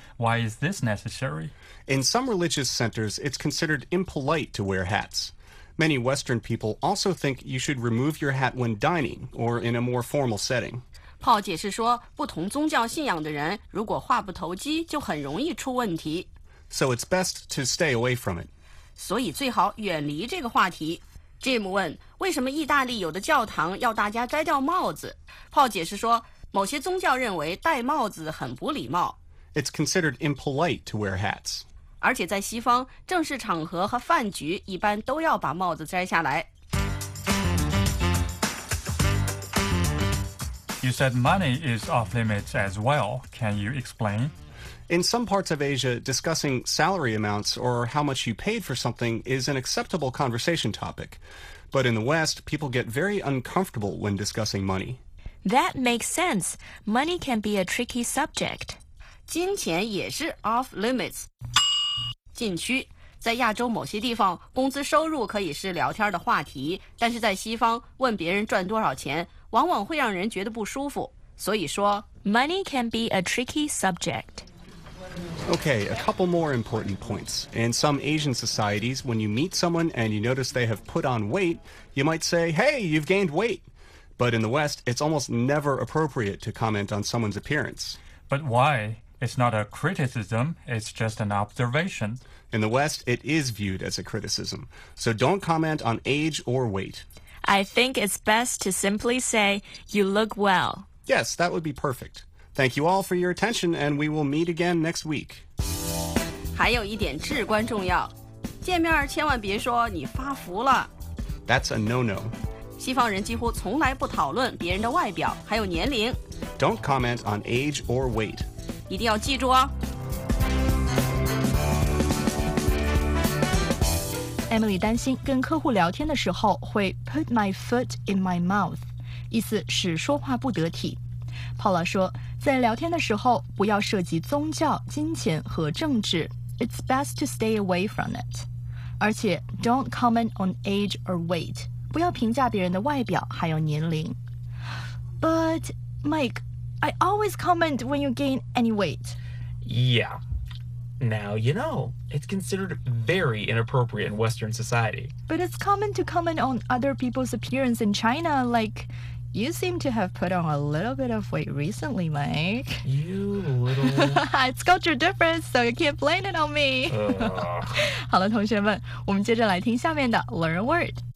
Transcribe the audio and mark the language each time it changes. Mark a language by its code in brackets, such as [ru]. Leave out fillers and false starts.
[en] Why is this necessary? In some religious centers, it's considered impolite to wear hats. Many Western people also think you should remove your hat when dining or in a more formal setting. [zh] Paul 解释说，不同宗教信仰的人如果话不投机，就很容易出问题。 [en] So it's best to stay away from it. [zh] 所以最好远离这个话题。Jim 问，为什么意大利有的教堂要大家摘掉帽子？ Paul 解释说，某些宗教认为戴帽子很不礼貌。 [en] It's considered impolite to wear hats. [zh] 而且在西方，正式场合和饭局一般都要把帽子摘下来。 [en] You said money is off limits as well. Can you explain? In some parts of Asia, discussing salary amounts or how much you paid for something is an acceptable conversation topic. But in the West, people get very uncomfortable when discussing money. That makes sense. Money can be a tricky subject. [zh] 金钱也是 off limits. 禁区。在亚洲某些地方，工资收入可以是聊天的话题，但是在西方，问别人赚多少钱往往会让人觉得不舒服。所以说 [en] Money can be a tricky subject. Okay, a couple more important points. In some Asian societies, when you meet someone and you notice they have put on weight, you might say, hey, you've gained weight. But in the West, it's almost never appropriate to comment on someone's appearance. But why? It's not a criticism, it's just an observation. In the West, it is viewed as a criticism. So don't comment on age or weight. I think it's best to simply say, you look well. Yes, that would be perfect. Thank you all for your attention, and we will meet again next week. [zh] 还有一点至关重要，见面千万别说你发福了。 [en] That's a no-no. [zh] 西方人几乎从来不讨论别人的外表，还有年龄。 [en] Don't comment on age or weight. [zh] 一定要记住哦。 Emily 担心跟客户聊天的时候会 [en] put my foot in my mouth， [zh] 意思是说话不得体。 Paula 说，在聊天的时候不要涉及宗教、金钱和政治， [en] It's best to stay away from it。 [zh] 而且 [en] don't comment on age or weight， [zh] 不要评价别人的外表还有年龄。 [en] But Mike， I always comment when you gain any weight。 Yeah。 Now you know, it's considered very inappropriate in Western society. But it's common to comment on other people's appearance in China, like, you seem to have put on a little bit of weight recently, Mike. You little... it's culture difference, so you can't blame it on me. [zh] 好了，同学们，我们接着来听下面的 Learn a Word.